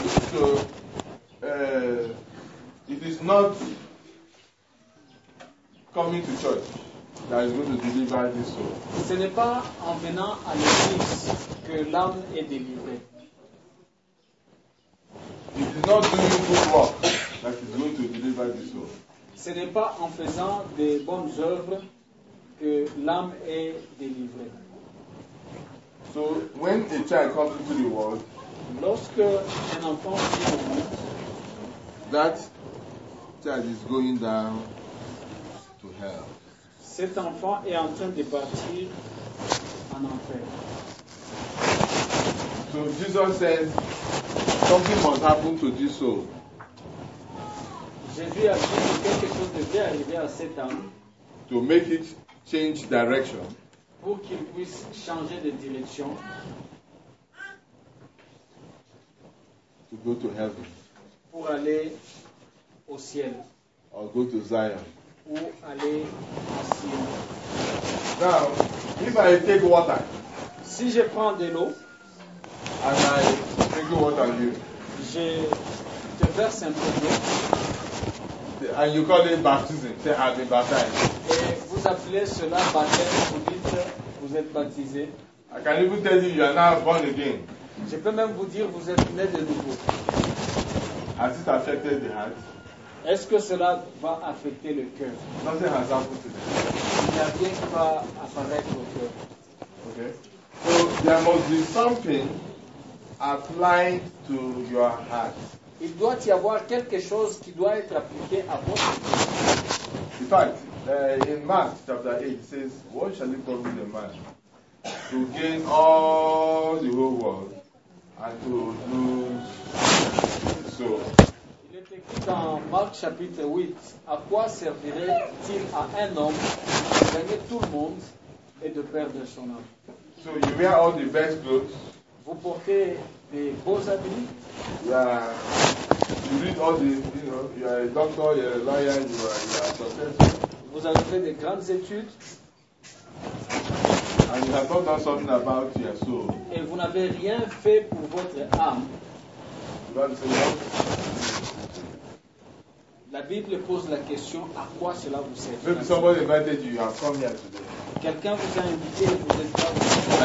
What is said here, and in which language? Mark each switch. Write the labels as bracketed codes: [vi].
[en] So it is not coming to church that is going to deliver this soul. [fr] Ce n'est pas en venant à l'église que l'âme est délivrée. [en] It is not doing good work that is going to deliver this soul. [fr] Ce n'est pas en faisant des bonnes œuvres que l'âme est délivrée. [en] So when a child comes into the world, [fr] lorsque un enfant vient au monde, [en] that child is going down to hell. [fr] Cet enfant est en train de partir en enfer. [en] So Jesus says something must happen to this soul. [fr] Jésus a dit que quelque chose devait arriver à cet âme [en] to make it change direction. [fr] Pour qu'il puisse changer de direction. [en] To go to heaven. [fr] Pour aller au ciel. [en] Or go to Zion. [fr] Ou aller à Sion. [en] Now, if I take water. [fr] Si je prends de l'eau. [en] And I take water on you. [fr] Je te verse un peu d'eau. [en] And you call it baptism. Say, I've been baptized. [fr] Et vous appelez cela baptême. Vous dites, vous êtes baptisé. [en] I can even tell you, you are now born again. [fr] Je peux même vous dire, vous êtes né de nouveau. [en] Has it affected the heart? [fr] Est-ce que cela va affecter le cœur? [en] Nothing has happened to [fr] them. Il n'y a rien qui va apparaître au cœur. [en] Okay. So there must be something applied to your heart. [fr] Il doit y avoir quelque chose qui doit être appliqué à votre cœur. [en] In fact, in Mark chapter 8, it says, what shall it profit a man to gain all the whole world and to lose his soul? [fr] Il est écrit dans Mark chapitre 8, à quoi servirait-il à un homme de gagner tout le monde et de perdre son âme? [en] So you wear all the best clothes. [fr] Vous portez des beaux habits. [en] Yeah. You read all the, you know, you are a doctor, you are a lawyer, you are a professor. [fr] Vous avez fait des grandes études. [en] And you have not done something about your soul. [fr] Et vous n'avez rien fait pour votre âme. La Bible pose la question, à quoi cela vous sert? [en] Maybe somebody invited you, you have come here today. [fr] Quelqu'un vous a invité et vous n'êtes pas.